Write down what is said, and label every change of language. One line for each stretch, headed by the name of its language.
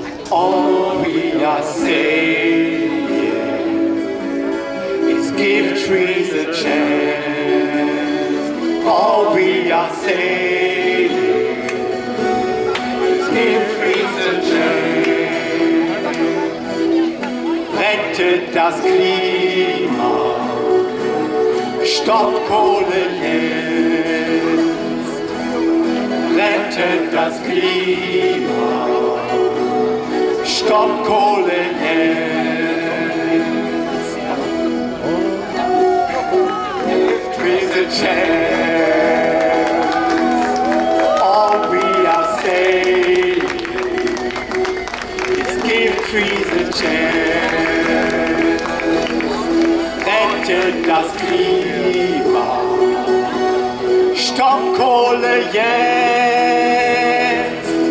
English: All we are saying is give trees a chance. All we are saying is give trees a chance.
German: Rettet das Klima, stoppt Kohle jetzt. Rettet das Klima, stopp Kohle jetzt.
English: Give trees a chance. All we are saying is give trees a chance.
German: Rettet das Klima, stopp Kohle jetzt.